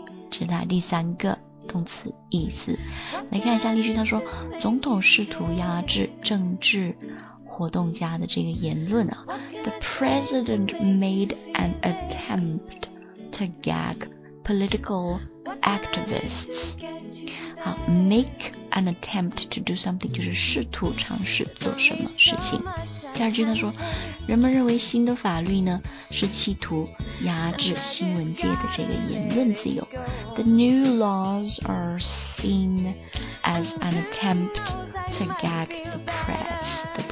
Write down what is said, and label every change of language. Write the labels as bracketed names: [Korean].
[Chinese] 这是它第三个动词意思。来看一下例句，他说总统试图压制政治活动家的这个言论啊。 [English] The president made an attempt to gag political activists. [Chinese] 好， [English] make an attempt to do something [Chinese] 就是试图尝试做什么事情。第二句他说人们认为新的法律呢是企图压制新闻界的这个言论自由。 [English] The new laws are seen as an attempt to gag the press.